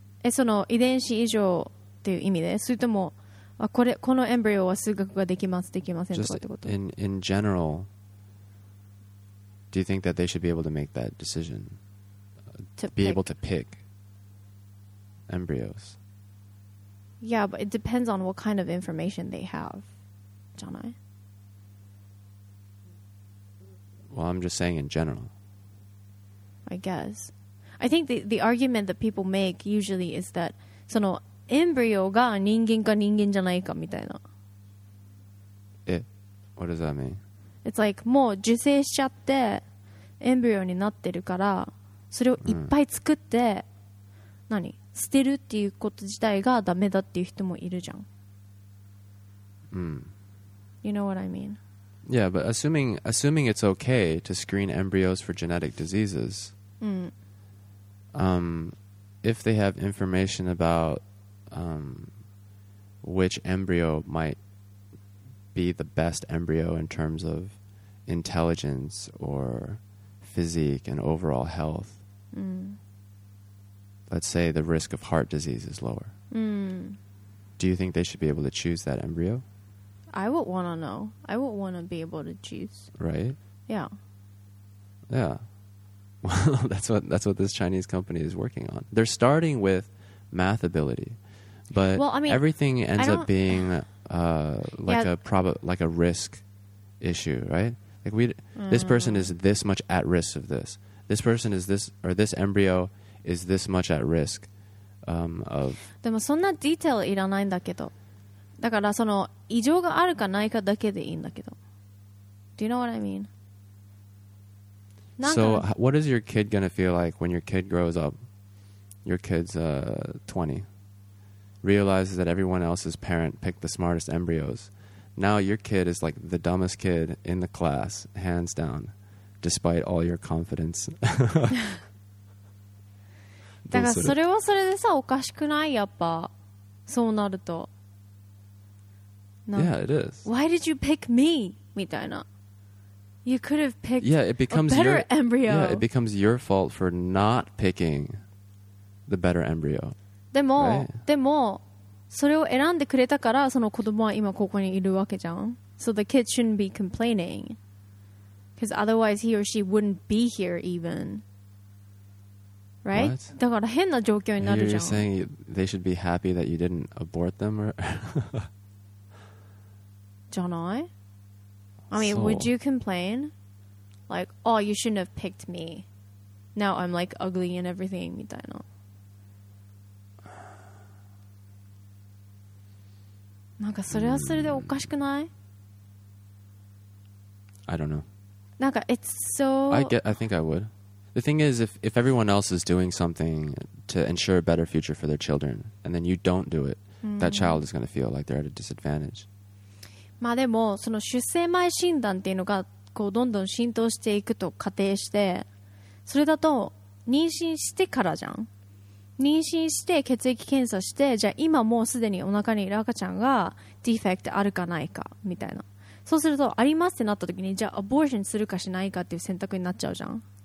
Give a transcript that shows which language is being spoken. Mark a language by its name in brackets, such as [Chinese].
[Japanese] その遺伝子異常っていう意味で、それともこれこのエンブリオは数学ができますできませんとかってこと。 [English] Just in general, do you think that they should be able to make that decision? To be able to pick embryos. Yeah, but it depends on what kind of information they have, [Japanese] じゃない。 [English] Well, I'm just saying in general. I guess. I think the argument that people make usually is that [Japanese] そのエンブリオが人間か人間じゃないかみたいな。 [English] え、what does that mean? It's like [Japanese] もう受精しちゃってエンブリオになってるからそれをいっぱい作って、うん、何捨てるっていうこと自体がダメだっていう人もいるじゃん。うん。 [English] You know what I mean? Yeah, but assuming it's okay to screen embryos for genetic diseases. [Japanese] うん。 [English] If they have information about which embryo might be the best embryo in terms of intelligence or physique and overall health, let's say the risk of heart disease is lower. Do you think they should be able to choose that embryo? I would want to know. I would want to be able to choose. Right? Yeah. Yeah. Well, that's what this Chinese company is working on. They're starting with math ability, but well, I mean, everything ends up being like a risk issue, right? Like this person is this much at risk of this. This person is this, or this embryo is this much at risk of. [Japanese] でもそんなディテールいらないんだけど、だからその異常があるかないかだけでいいんだけど。 [English] Do you know what I mean? So, what is your kid going to feel like when your kid grows up? Your kid's 20. Realizes that everyone else's parent picked the smartest embryos. Now your kid is like the dumbest kid in the class, hands down, despite all your confidence. [Japanese] だからそれはそれでさ、おかしくない? やっぱ。そうなると。 [English] Yeah, it is. Why did you pick me? [Japanese] みたいな。 [English] You could have picked yeah, it becomes a better your, embryo. Yeah, it becomes your fault for not picking the better embryo. [Japanese] でも、 [English] right? [Japanese] でもそれを選んでくれたからその子供は今ここにいるわけじゃん。 [English] So the kid shouldn't be complaining. Because otherwise he or she wouldn't be here even. Right? What? [Japanese] だから変な状況になるじゃん。 [English] You're saying they should be happy that you didn't abort them? Or [Japanese] じゃない? [English] I mean, would you complain? Like, oh, you shouldn't have picked me. Now I'm like ugly and everything, [Japanese] みたいな。なんかそれはそれでおかしくない? [English] I don't know. [Japanese] なんか [English] it's so... I think I would. The thing is, if everyone else is doing something to ensure a better future for their children, and then you don't do it, that child is going to feel like they're at a disadvantage. [Japanese] まあでもその出生前診断っていうのがこうどんどん浸透していくと仮定してそれだと妊娠してからじゃん妊娠して血液検査してじゃあ今もうすでにお腹にいる赤ちゃんがディフェクトあるかないかみたいなそうするとありますってなった時にじゃあアボーションするかしないかっていう選択になっちゃうじゃん